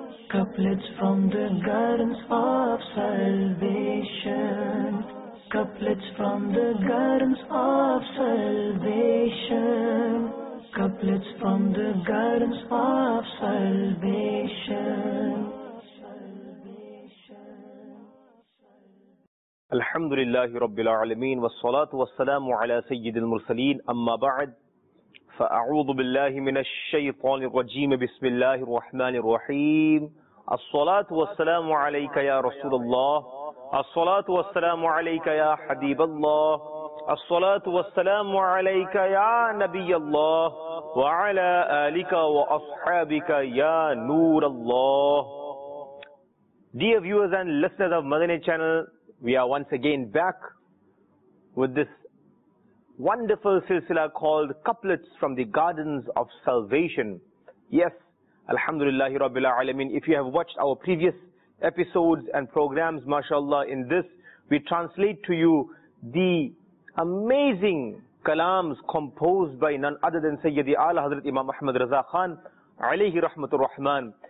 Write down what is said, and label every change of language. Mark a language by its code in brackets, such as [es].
[en] Couplets from the gardens of salvation. Couplets from the gardens of salvation. Couplets from the gardens of salvation. [ar] الحمد لله رب العالمين والصلاة والسلام على سيد المرسلين أما بعد فأعوذ بالله من الشيطان الرجيم بسم الله الرحمن الرحيم الصلاة والسلام عليك يا رسول الله الصلاة والسلام عليك يا حبيب الله الصلاة والسلام عليك يا نبي الله وعلى آلك وأصحابك يا نور الله [en] Dear viewers and listeners of Madani channel, we are once again back with this wonderful silsila called Couplets from the Gardens of Salvation. [ar] Yes, Alhamdulillah Rabbil Alameen. [en] If you have watched our previous episodes and programs, mashallah, in this, we translate to you the amazing kalams composed by none other than Sayyidi Ala Hazrat Imam Ahmad Raza Khan, [ar] alayhi rahmatur rahman.